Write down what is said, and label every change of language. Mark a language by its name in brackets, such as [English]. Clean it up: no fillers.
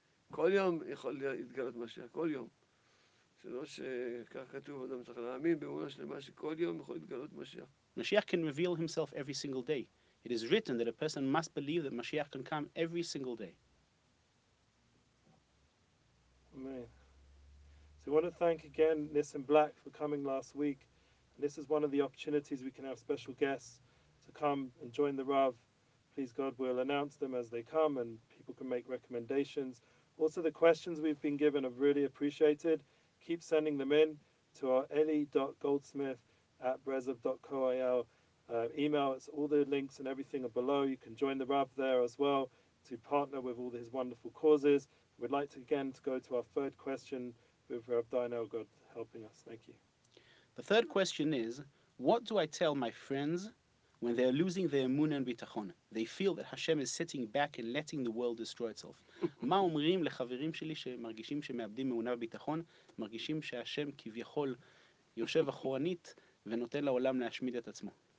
[Hebrew] כל יום יכול להתגלות משיח, כל יום. זה לא שכך כתוב, אדם צריך להאמין באמונה שלמה שכל יום יכול להתגלות משיח. [English] משיח can reveal himself every single day. It is written that a person must believe that משיח can come every single day. Amen. So I want to thank again Nissen Black for coming last week. And this is one of the opportunities we can have special guests to come and join the Rav. Please God, we'll announce them as they come and people can make recommendations. Also, the questions we've been given are really appreciated. Keep sending them in to our eli.goldsmith@brezov.co.il email. It's all the links and everything are below. You can join the Rav there as well to partner with all his wonderful causes. We'd like to again to go to our third question with Rav Dinel, God helping us. Thank you. The third question is, what do I tell my friends when they're losing their emun and bitachon? They feel that Hashem is sitting back and letting the world destroy itself. [Hebrew] מה אומרים לחברים שלי שמרגישים שמאבדים אמונה וביטחון, מרגישים שהשם כביכול יושב אחורנית ונותן לעולם להשמיד את עצמו?